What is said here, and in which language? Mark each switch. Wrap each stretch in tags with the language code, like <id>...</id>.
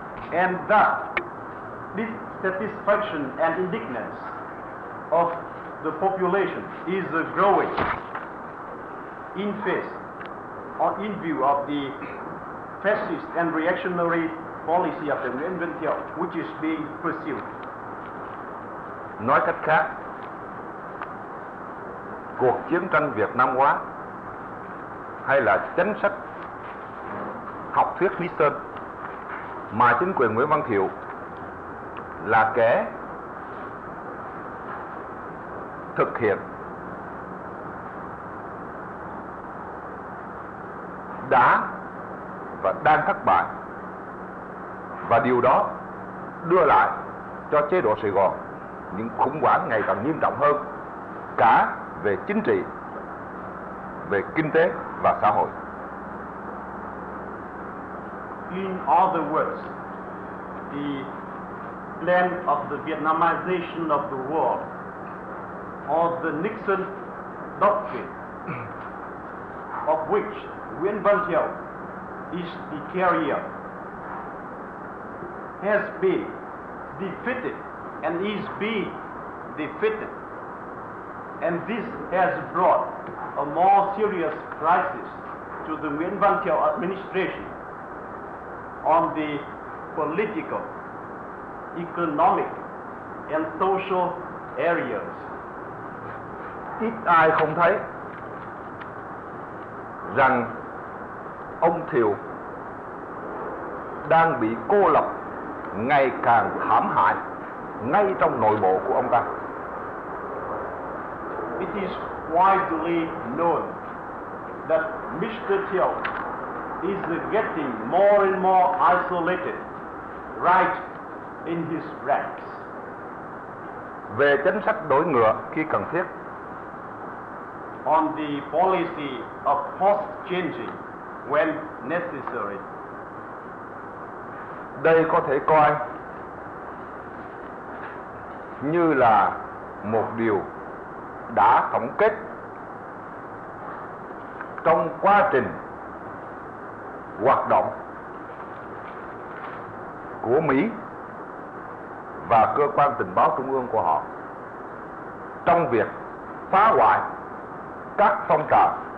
<en>And that dissatisfaction and indignance of the population is growing in face or in view of the fascist and reactionary policy of the Nguyễn Văn Thiệu, which is being pursued.</en> <vi>Nói cách khác, cuộc chiến tranh Việt Nam hóa hay là chính sách học thuyết Lý Sơn mà chính quyền Nguyễn Văn Thiệu là kẻ thực hiện đã và đang thất bại, và điều đó đưa lại cho chế độ Sài Gòn những khủng hoảng ngày càng nghiêm trọng hơn cả về chính trị, về kinh tế và xã hội.</vi> <en>In other words, the plan of the Vietnamization of the world or the Nixon doctrine of which Nguyễn Văn Thiệu is the carrier has been defeated and is being defeated, and this has brought a more serious crisis to the Nguyễn Văn Thiệu administration on the political, economic and social areas.</en> <vi>Ít ai không thấy rằng ông Thiệu đang bị cô lập ngày càng thảm hại ngay trong nội bộ của ông ta.</vi> <en>It is widely known that Mr. Thiệu is getting more and more isolated right in his ranks.</en> <vi>Về chính sách đổi ngựa khi cần thiết.</vi> <en>On the policy of horse changing when necessary.</en> <vi>Đây có thể coi như là một điều đã tổng kết trong quá trình hoạt động của Mỹ và cơ quan tình báo trung ương của họ trong việc phá hoại các phong trào</vi>